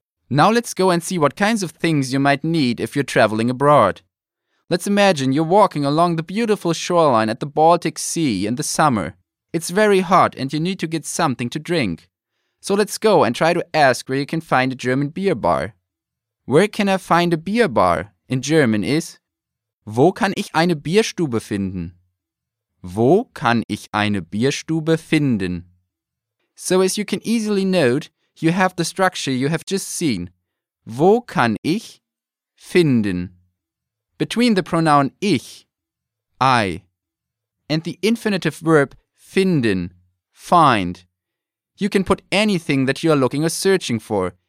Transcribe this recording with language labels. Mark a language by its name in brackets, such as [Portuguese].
[English] Now let's go and see what kinds of things you might need if you're traveling abroad. Let's imagine you're walking along the beautiful shoreline at the Baltic Sea in the summer. It's very hot and you need to get something to drink. So let's go and try to ask where you can find a German beer bar. Where can I find a beer bar? In German is [German] Wo kann ich eine Bierstube finden? Wo kann ich eine Bierstube finden? [English] So as you can easily note, you have the structure you have just seen. [German] Wo kann ich finden? [English] Between the pronoun ich, I, and the infinitive verb finden, find, you can put anything that you are looking or searching for.